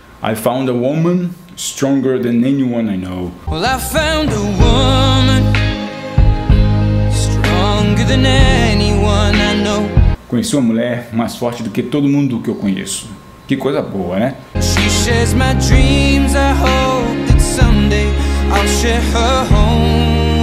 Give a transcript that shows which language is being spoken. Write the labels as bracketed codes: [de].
[en] I found a woman stronger than anyone I know. Well, I found a woman stronger than anyone I know. [pt] Conheci uma mulher mais forte do que todo mundo que eu conheço. Que coisa boa, né? [en] She shares my dreams. I hope that someday I'll share her home.